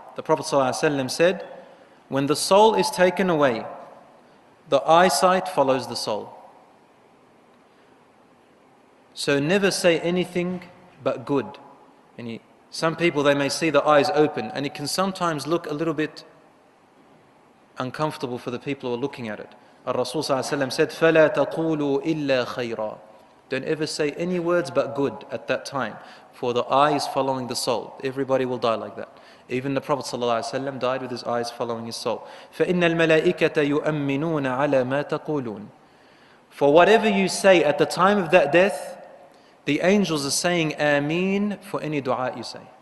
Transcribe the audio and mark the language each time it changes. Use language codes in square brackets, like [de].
[en] The Prophet ﷺ said, "When the soul is taken away, the eyesight follows the soul." So never say anything but good. And some people, they may see the eyes open, and it can sometimes look a little bit uncomfortable for the people who are looking at it. Rasul ﷺ said, [ar] "فَلَا تَقُولُوا إِلَّا خَيْرًا." [en] Don't ever say any words but good at that time, for the eye is following the soul. Everybody will die like that. Even the Prophet ﷺ died with his eyes following his soul. [ar] فَإِنَّ الْمَلَائِكَةَ يُؤَمِّنُونَ عَلَى مَا تَقُولُونَ. [en] For whatever you say at the time of that death, the angels are saying Ameen for any dua you say.